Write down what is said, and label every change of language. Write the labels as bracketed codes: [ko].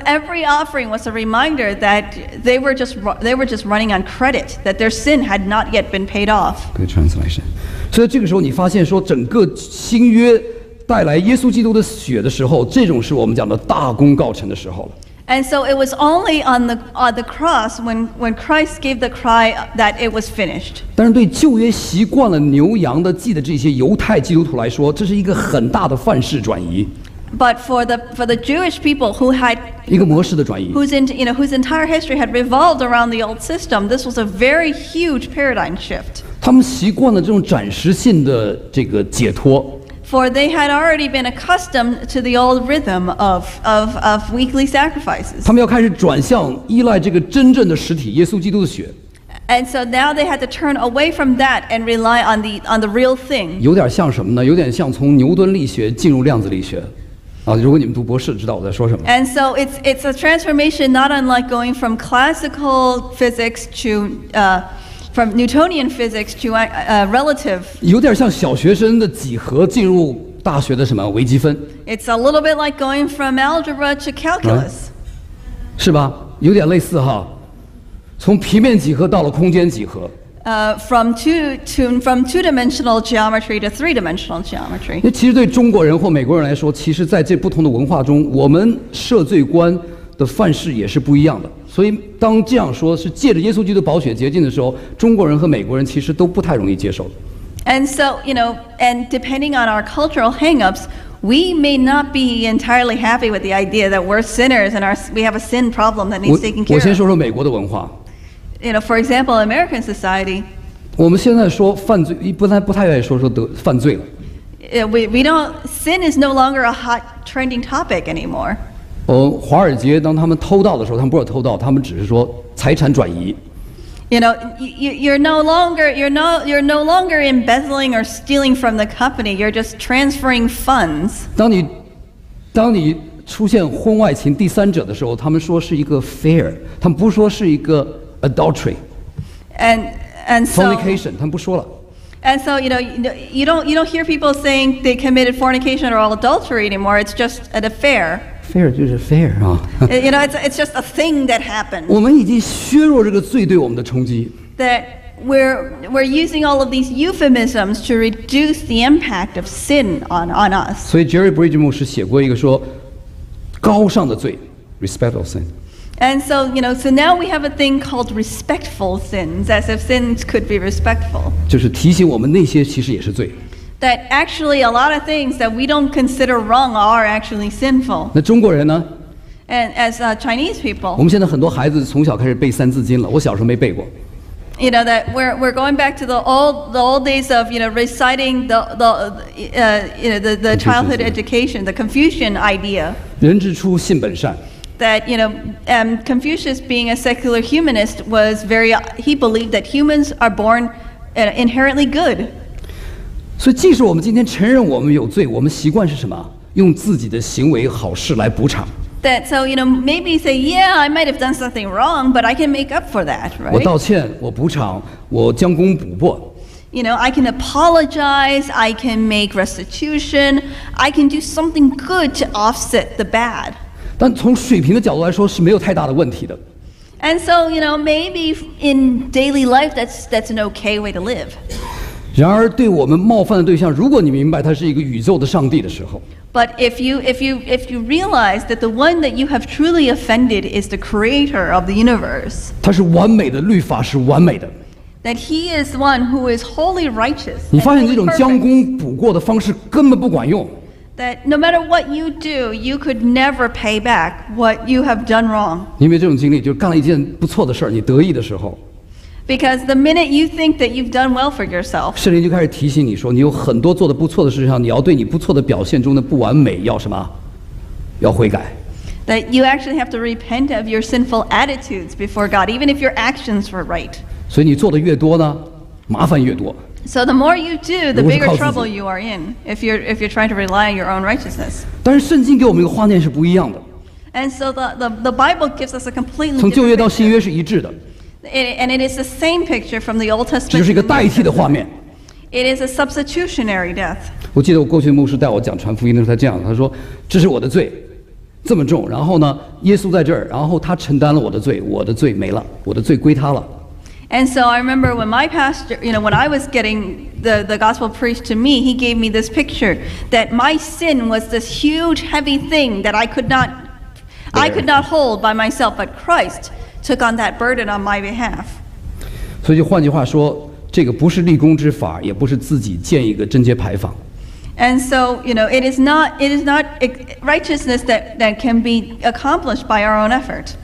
[en] every offering was a reminder that they were just running on credit, that their sin had not yet been paid off. Good translation. [zh] 所以这个时候你发现说整个新约带来耶稣基督的血的时候，这种是我们讲的大功告成的时候了。And [en] so it was only on the cross when Christ gave the cry that it was finished. [zh] 但是对旧约习惯了牛羊的祭的这些犹太基督徒来说，这是一个很大的范式转移。 [en] But for the Jewish people who had [zh] 一个模式的转移, [en] whose entire history had revolved around the old system, this was a very huge paradigm shift. [zh] 他们习惯了这种暂时性的这个解脱。 [en] For they had already been accustomed to the old rhythm of weekly sacrifices. [zh] 他们要开始转向依赖这个真正的实体耶稣基督的血。 [en] And so now they had to turn away from that and rely on the real thing. [zh] 有点像什么呢?有点像从牛顿力学进入量子力学。 [en] And so it's a transformation not unlike going from classical physics to from Newtonian physics to relative. [zh] 有点像小学生的几何进入大学的什么微积分。 It's a little bit like going from algebra to calculus. 是吧?有点类似哈。从平面几何到了空间几何。 [en] From two-dimensional geometry to three-dimensional geometry. [zh] 其实对中国人或美国人来说，其实在这不同的文化中，我们赦罪观的范式也是不一样的。所以当这样说是借着耶稣基督宝血洁净的时候，中国人和美国人其实都不太容易接受。 [en] And so, you know, and depending on our cultural hang-ups, we may not be entirely happy with the idea that we're sinners and we have a sin problem that needs taking care of. [zh] 我先说说美国的文化。 [en] You know, for example, American society. [zh] 我们现在说犯罪，不太愿意说犯罪了。 [en] Sin is no longer a hot trending topic anymore. [zh] 华尔街当他们偷盗的时候，他们不是偷盗，他们只是说财产转移。 [en] You know, you're no longer embezzling or stealing from the company. You're just transferring funds. [zh] 当你出现婚外情第三者的时候，他们说是一个 affair， 他们不说是一个 adultery. [en] And so. [zh] Fornication， 他们不说了。 [en] And so, you know, you don't hear people saying they committed fornication or adultery anymore. It's just an affair. [zh] Fair 就是 fair 啊。 [en] You know, it's just a thing that happened. [zh] 我们已经削弱这个罪对我们的冲击。 [en] That we're using all of these euphemisms to reduce the impact of sin on us. [zh] 所以 Jerry Bridges 牧师写过一个说，高尚的罪 ， [en] respectful sin。 And so, you know, so now we have a thing called respectful sins, as if sins could be respectful. [zh] 就是提醒我们那些其实也是罪。 [en] That actually a lot of things that we don't consider wrong are actually sinful. [zh] 那中国人呢？ [en] And as Chinese people. [zh] 我们现在很多孩子从小开始背三字经了，我小时候没背过。 [en] You know, that we're going back to the old days of, you know, reciting the childhood education, the Confucian idea. [zh] 人之初性本善。 [en] That you know, Confucius, being a secular humanist, was very. He believed that humans are born inherently good. [zh] So, 即使我们今天承认我们有罪，我们习惯是什么？用自己的行为好事来补偿。 [en] That so you know maybe say yeah I might have done something wrong but I can make up for that right? [zh] 我道歉，我补偿，我将功补过。 [en] You know, I can apologize, I can make restitution, I can do something good to offset the bad. [zh] 但从水平的角度来说是没有太大的问题的。 [en] And so, you know, maybe in daily life, that's an okay way to live. [zh] 然而，对我们冒犯的对象，如果你明白他是一个宇宙的上帝的时候 [en] ，But if you realize that the one that you have truly offended is the creator of the universe. [zh] 他是完美的，律法是完美的。 [en] That he is one who is wholly righteous. [zh] 你发现这种将功补过的方式根本不管用。 [en] That no matter what you do, you could never pay back what you have done wrong. [zh] 因为这种经历，就是干了一件不错的事儿，你得意的时候。 [en] Because the minute you think that you've done well for yourself, [zh] 圣灵就开始提醒你说，你有很多做的不错的事情，你要对你不错的表现中的不完美要什么？要悔改。 [en] That you actually have to repent of your sinful attitudes before God, even if your actions were right. [zh] 所以你做的越多呢，麻烦越多。 [en] So the more you do, the bigger trouble you are in if you're trying to rely on your own righteousness. [zh] 但是圣经给我们一个画面是不一样的。 [en] And so the Bible gives us a completely different. [zh] 从旧约到新约是一致的。 [en] And it is the same picture from the Old Testament. [zh] 只是一个代替的画面。 [en] It is a substitutionary death. [zh] 我记得我过去的牧师带我讲传福音的时候，他这样，他说：“这是我的罪，这么重。然后呢，耶稣在这儿，然后他承担了我的罪，我的罪没了，我的罪归他了。” [en] And so I remember when my pastor, you know, when I was getting the gospel preached to me, he gave me this picture that my sin was this huge, heavy thing that I could not hold by myself, but Christ took on that burden on my behalf. [zh] 所以就换句话说，这个不是立功之法，也不是自己建一个贞洁牌坊。 [en] And so, you know, it is not righteousness that can be accomplished by our own effort.